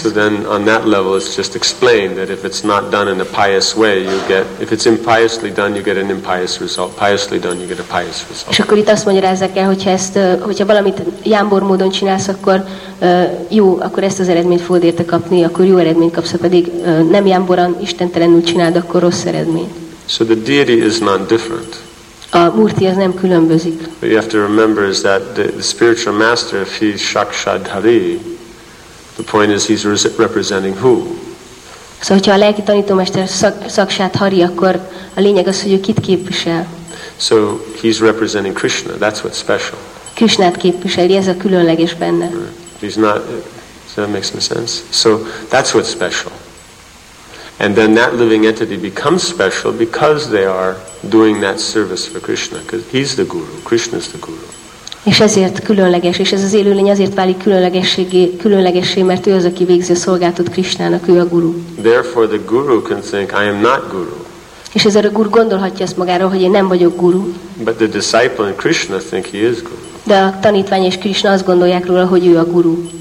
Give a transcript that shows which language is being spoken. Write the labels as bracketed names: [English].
[English] So then on that level it's just explained that if it's not done in a pious way, you get, if it's impiously done, you get an impious result. Piously done, you get a pious result. [Hungarian] És akkor itt azt magyarázzák el, hogyha valamit jámbor módon csinálsz, akkor jó, akkor ezt az eredményt fogod érte kapni, akkor jó eredményt kapsz, pedig nem jámboran, istentelenül csináld, akkor rossz eredmény. [English] So the deity is not different. [Hungarian] A Murti az nem különbözik. [English] But you have to remember is that the spiritual master, if he's Shakshadhari, the point is he's representing who? [Hungarian] Szóval, hogyha a lelki tanítómester Shakshadhari, akkor a lényeg az, hogy ő kit képvisel. [English] So he's representing Krishna. That's what's special. [Hungarian] Krishnát képviseli, ez a különleges benne. [English] He's not. So that makes no sense. So that's what's special. And then that living entity becomes special because they are doing that service for Krishna, because he's the guru. Krishna's the guru. [Hungarian] És ezért különleges, és ez az élőlény azért válik különlegessé, mert ő az, aki végzi a szolgálatot Krishnának, ő a guru. [English] Therefore the guru can think, I am not guru. [Hungarian] És ezért a guru gondolhatja ezt magáról, hogy én nem vagyok guru. [English] But the disciple and Krishna think he is guru. [Hungarian] De a tanítvány és Krishna azt gondolják róla, hogy ő a guru.